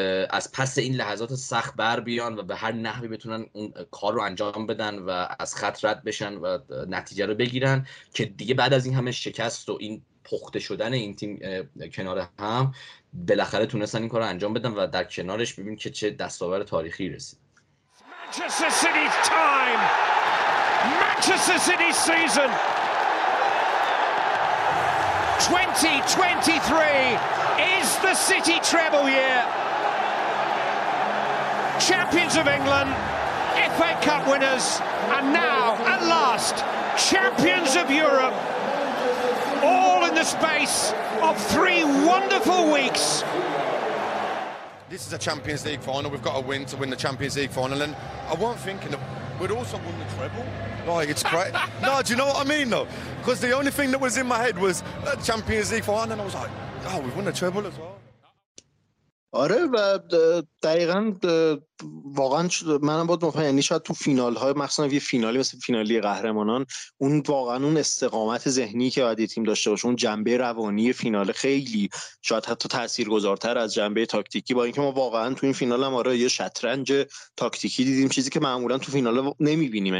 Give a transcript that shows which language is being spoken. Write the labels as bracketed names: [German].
[Persian] از پس این لحظات سخت بر بیان و به هر نحوی بتونن اون کار رو انجام بدن و از خط رد بشن و نتیجه رو بگیرن که دیگه بعد از این همه شکست و این پخته شدن این تیم کنار هم بالاخره تونستن این کار رو انجام بدن و در کنارش ببینیم که چه دستاورد تاریخی رسید. [English] Manchester City time. Manchester City season. 2023 is the City treble year. Champions of England, FA Cup winners, and now, at last, champions of Europe. All in the space of three wonderful weeks. This is a Champions League final. We've got to win to win the Champions League final. And I weren't thinking that we'd also won the treble. Like, it's great. No, do you know what I mean, though? Because the only thing that was in my head was Champions League final. And I was like, oh, we've won the treble as well. [Persian] آره و دقیقا واقعا منم باید مفهم، یعنی شاید تو فینال های مخصوصا یه فینالی مثل فینالی قهرمانان اون واقعا اون استقامت ذهنی که باید تیم داشته باشه، اون جنبه روانی فینال خیلی شاید حتی تاثیرگذارتر از جنبه تاکتیکی، با اینکه ما واقعا تو این فینال هم آره یه شطرنج تاکتیکی دیدیم، چیزی که معمولا تو فینال ها نمیبینیم.